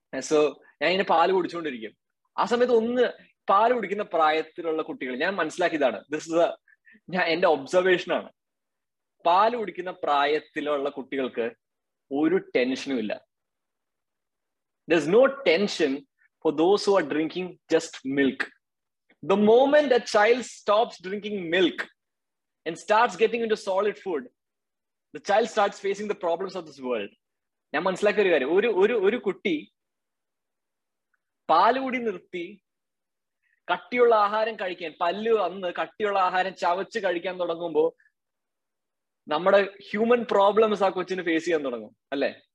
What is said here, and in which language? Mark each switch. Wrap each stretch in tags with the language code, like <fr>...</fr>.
<ml>So ഞാൻ ഇങ്ങനെ പാല് കുടിച്ചുകൊണ്ടിരിക്കും. ആ സമയത്ത് ഒന്ന് പാല് കുടിക്കുന്ന പ്രായത്തിലുള്ള കുട്ടികൾ, ഞാൻ മനസ്സിലാക്കിയതാണ്,</ml> <en>this is</en> <ml>ഞാൻ എന്റെ ഒബ്സർവേഷൻ ആണ്, പാല് കുടിക്കുന്ന പ്രായത്തിലുള്ള കുട്ടികൾക്ക് ഒരു ടെൻഷനും ഇല്ല.</ml> <en>There's no tension for those who are drinking just milk. The moment a child stops drinking milk and starts getting into solid food, the child starts facing the problems of this world.</en> <ml>ഞാൻ മനസ്സിലാക്കി ഒരു കാര്യം, ഒരു ഒരു ഒരു കുട്ടി പാല് കുടി നിർത്തി കട്ടിയുള്ള ആഹാരം കഴിക്കാൻ, പല്ല് വന്ന് കട്ടിയുള്ള ആഹാരം ചവച്ച് കഴിക്കാൻ തുടങ്ങുമ്പോൾ നമ്മുടെ ഹ്യൂമൻ പ്രോബ്ലംസ് ആ കൊച്ചിന് ഫേസ് ചെയ്യാൻ തുടങ്ങും അല്ലെ.</ml>